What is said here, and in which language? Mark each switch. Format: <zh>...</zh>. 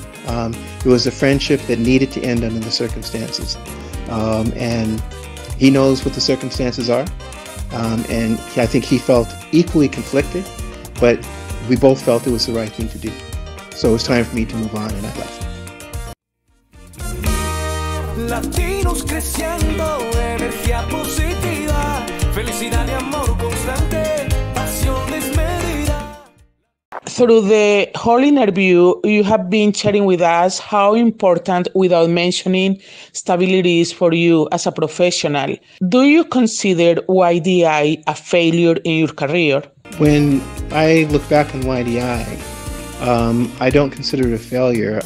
<en>It was a friendship that needed to end under the circumstances. And he knows what the circumstances are. And I think he felt equally conflicted, but we both felt it was the right thing to do. So it was time for me to move on, and I left.</en> <es>Latinos creciendo, energía positiva, felicidad y amor constante, pasión desmedida.</es> <en>Through the whole interview, you have been sharing with us how important, without mentioning, stability is for you as a professional. Do you consider YDI a failure in your career? When I look back on YDI, I don't consider it a failure.</en>